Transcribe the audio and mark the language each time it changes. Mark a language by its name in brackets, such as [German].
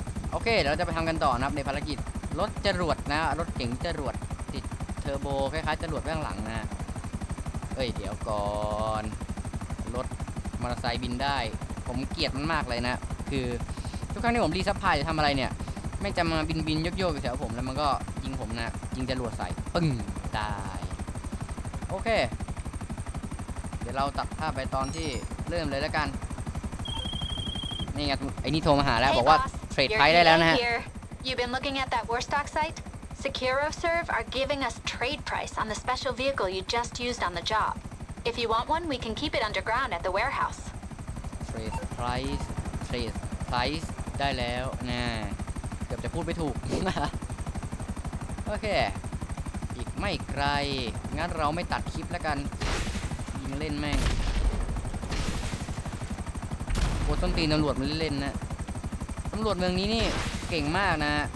[Thai] โอเคเราจะไปทำกันต่อนะครับในภารกิจรถจรวดนะรถเก๋งจรวดติดเทอร์โบคล้ายๆจรวดข้างหลังนะเอ้ยเดี๋ยวก่อนรถมอเตอร์ไซค์บินได้ผมเกลียดมันมากเลยนะคือทุกครั้งที่ผมรีซัพพลายจะทำอะไรเนี่ยไม่จะมาบินบินโยกๆอยู่แถวผมแล้วมันก็ยิงผมนะยิงจรวดใส่ปึ้งตายโอเค เดี๋ยวเราตัดภาพไปตอนที่เริ่มเลยแล้วกันนี่ไงไอ้นี่โทรมาหาแล้วบอกว่าเทรดไพร์ได้แล้วนะฮะ [English] You've been looking at that Warstock site? SecuroServe are giving us trade price on the special vehicle you just used on the job. If you want one, we can keep it underground at the warehouse. [Thai] Trade price ได้แล้วนะเกือบจะพูดไม่ถูกโอเคอีกไม่ไกลงั้นเราไม่ตัดคลิปแล้วกันยิงเล่นแม่งโคตรต้นตีนตำรวจมันเล่นนะตำรวจเมืองนี้นี่เก่งมากนะ